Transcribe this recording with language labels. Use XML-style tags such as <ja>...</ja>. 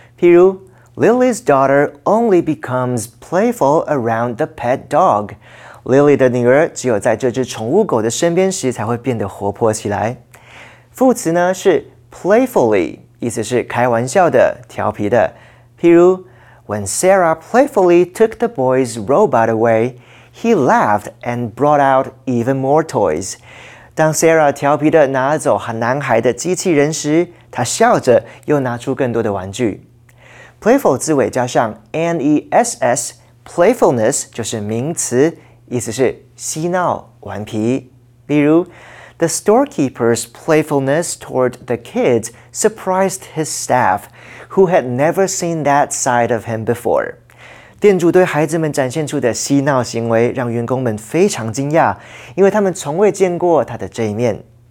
<zh>譬如</zh> <en>，Lily's daughter only becomes playful around the pet dog.</en> <zh>Lily 的女儿只有在这只宠物狗的身边时才会变得活泼起来。副词呢是 playfully， 意思是开玩笑的，调皮的。譬如</zh> <en>，When Sarah playfully took the boy's robot away, he laughed and brought out even more toys.</en> <zh>当 Sarah 调皮地拿走男孩的机器人时，她笑着又拿出更多的玩具。 Playful 字尾加上 N-E-S-S, playfulness 就是名词，意思是嬉闹、顽皮。比如</zh> <en>，The storekeeper's playfulness toward the kids surprised his staff, who had never seen that side of him before.</en> <zh>店主对孩子们展现出的嬉闹行为让员工们非常惊讶，因为他们从未见过他的这一面。</zh>